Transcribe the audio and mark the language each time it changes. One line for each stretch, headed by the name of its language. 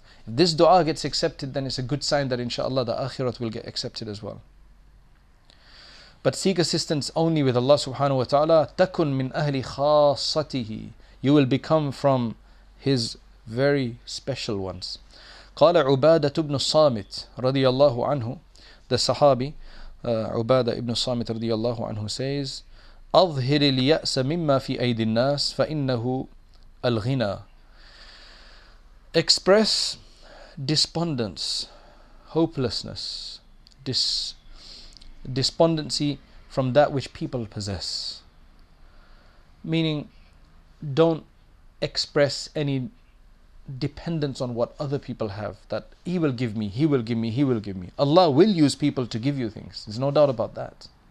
English: If this dua gets accepted, then it's a good sign that inshallah the akhirat will get accepted as well. But seek assistance only with Allah subhanahu wa ta'ala.
Arabic: تَكُنْ مِنْ أَهْلِ خَاصَّتِهِ.
English: You will become from His very special ones.
Arabic: قال عبادة بن الصامت رضي الله عنه,
English: the Sahabi
Arabic: عبادة بن الصامت رضي الله عنه
English: says,
Arabic: أظهر اليأس مما في أيدي الناس فإنه الغنى.
English: Express despondence, hopelessness, despondency from that which people possess. Meaning, don't express any dependence on what other people have, that he will give me, he will give me, he will give me. Allah will use people to give you things. There's no doubt about that.